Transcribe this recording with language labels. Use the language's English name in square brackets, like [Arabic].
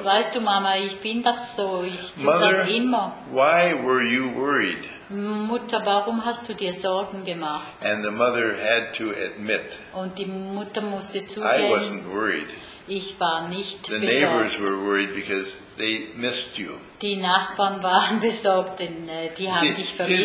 [German] Weißt du, Mama, ich bin doch so. Ich tue [English] mother, [German] das immer. [English] Why were you worried? [German] Mutter, warum hast du dir Sorgen gemacht? [English] And the mother had to admit. [German] Und die Mutter musste zugeben. [English] I wasn't worried. [German] Ich war nicht [English] the [German] besorgt. [English] Neighbors were worried because they missed you. [German] Die Nachbarn waren besorgt, denn die haben dich vermisst.